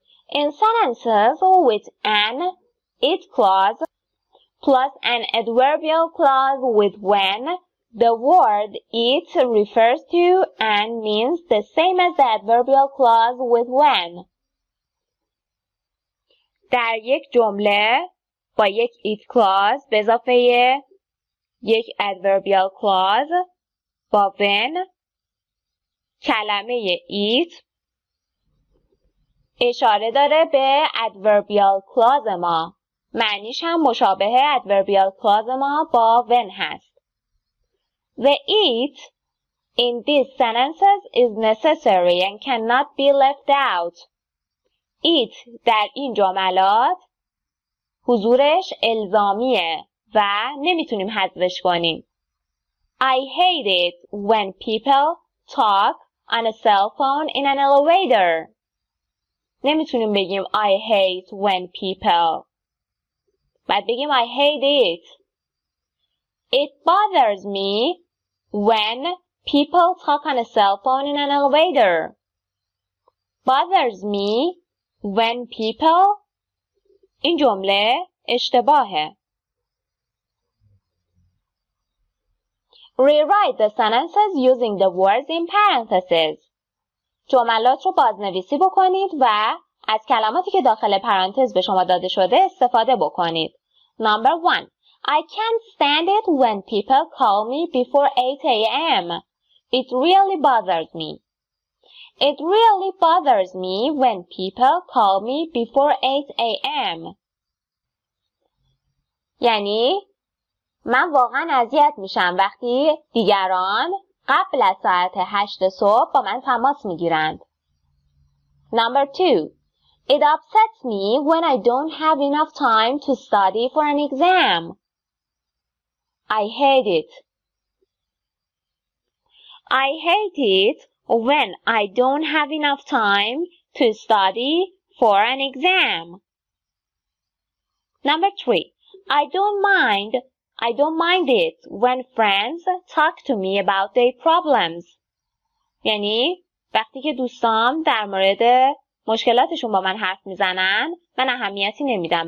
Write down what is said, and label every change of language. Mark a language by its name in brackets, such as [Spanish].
[English] In sentences with an it clause plus an adverbial clause with when, the word it refers to and means the same as the adverbial clause with when. [Persian] در یک جمله با یک it clause به اضافه یک adverbial clause با when کلمه it اشاره داره به adverbial clause ما. معنیش هم مشابه adverbial clause ما با when هست. [English] The it in these sentences is necessary and cannot be left out. [Persian] It در این جملات حضورش الزامیه و نمیتونیم حذفش کنیم. [English] I hate it when people talk on a cell phone in an elevator. [Persian] نمیتونیم بگیم [English] I hate when people. [Persian] باید بگیم [English] I hate it. It bothers me when people talk on a cell phone in an elevator. Bothers me when people. [Persian] این جمله اشتباهه. [English] Rewrite the sentences using the words in parentheses. [Persian] جملات رو بازنویسی بکنید و از کلماتی که داخل پرانتز به شما داده شده استفاده بکنید. [English] Number 1. I can't stand it when people call me before 8 a.m. It really bothers me. It really bothers me when people call me before 8 a.m. [Persian] یعنی من واقعا اذیت میشم وقتی دیگران قبل از ساعت 8 صبح با من تماس میگیرند. [English] Number 2. It upsets me when I don't have enough time to study for an exam. I hate it. I hate it when I don't have enough time to study for an exam. Number 3. I don't mind it when friends talk to me about their problems. [Persian] یعنی وقتی که دوستان در مورد مشکلاتشون با من حرف میزنن من اهمیتی نمیدم.